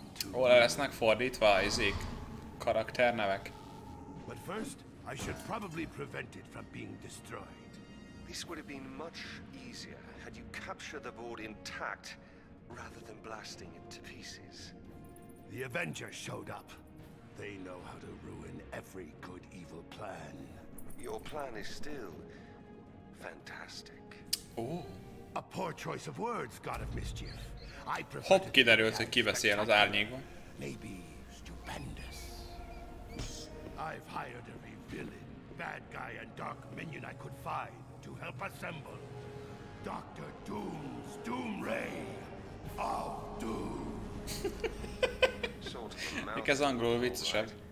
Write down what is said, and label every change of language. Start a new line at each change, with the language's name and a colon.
Hungarian: Hol lesznek fordítva ezek karakternevek?
English: But first, I should probably prevent it from being destroyed. This would have been much easier had you captured the board intact rather than blasting it to pieces. The Avengers showed up. They know how to ruin every good evil plan. Your plan is still fantastic. Oh. A poor choice of words, God of Mischief. I prefer.
Hungarian: Hopp, kiderült, hogy ki beszél az árnyékban.
English: Maybe stupendous. I've hired every villain, bad guy, and dark minion I could find to help assemble Dr. Doom's Doom Ray of Doom. Because
Hungarian: angrol viccesebb.